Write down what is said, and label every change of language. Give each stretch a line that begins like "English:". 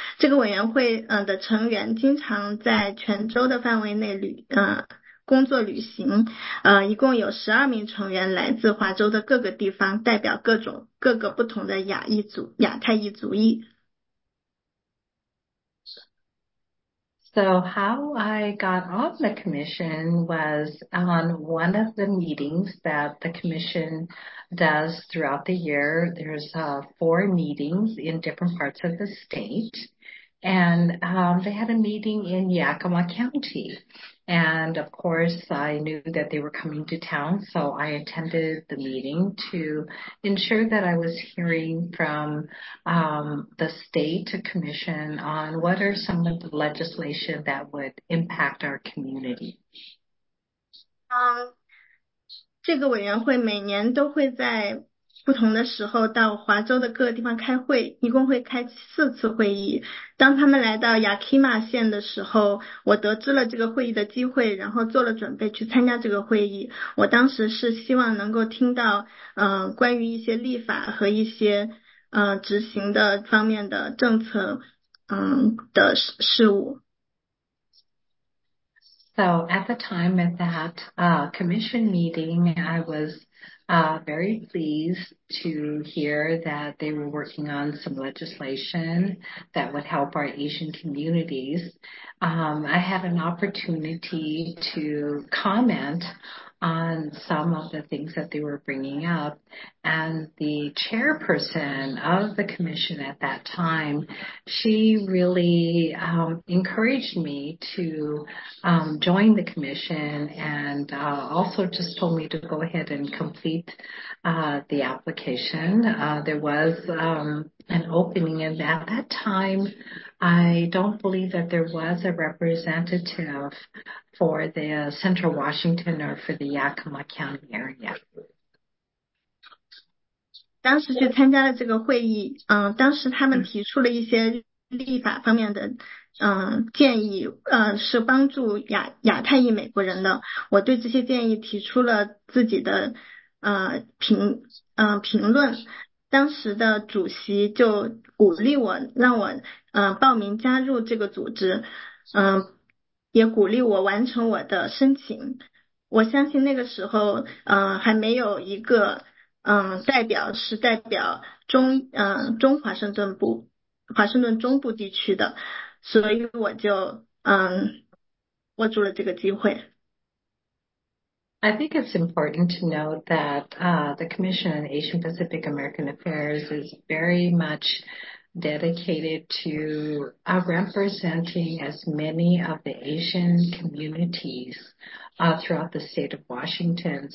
Chinese: 这个委员会的成员经常在全州的范围内工作旅行，一共有12名成员来自华州的各个地方，代表各个不同的亚太裔族裔。
English: So how I got on the commission was on one of the meetings that the commission does throughout the year. There's four meetings in different parts of the state. And they had a meeting in Yakima County. And of course, I knew that they were coming to town, so I attended the meeting to ensure that I was hearing from the state commission on what are some of the legislation that would impact our community.
Chinese: 这个委员会每年都会在不同的时候到华州的各个地方开会，一共会开四次会议。当他们来到亚基马县的时候，我得知了这个会议的机会，然后做了准备去参加这个会议。我当时是希望能够听到关于一些立法和一些执行的方面的政策的事务。
English: So So at the time of that commission meeting, I was very pleased to hear that they were working on some legislation that would help our Asian communities. I had an opportunity to comment on some of the things that they were bringing up, and the chairperson of the commission at that time, she really encouraged me to join the commission, and also just told me to go ahead and complete the application. There was an opening, and at that time, I don't believe that there was a representative for the Central Washington or for the Yakima County area.
Chinese: 当时去参加了这个会议，当时他们提出了一些立法方面的建议，是帮助亚太裔美国人的。我对这些建议提出了自己的评论。当时的主席就鼓励我，让我报名加入这个组织，也鼓励我完成我的申请。我相信那个时候，还没有一个代表是代表中华盛顿部、华盛顿中部地区的，所以我就握住了这个机会。
English: I think it's important to note that the Commission on Asian Pacific American Affairs is very much dedicated to representing as many of the Asian communities throughout the state of Washington.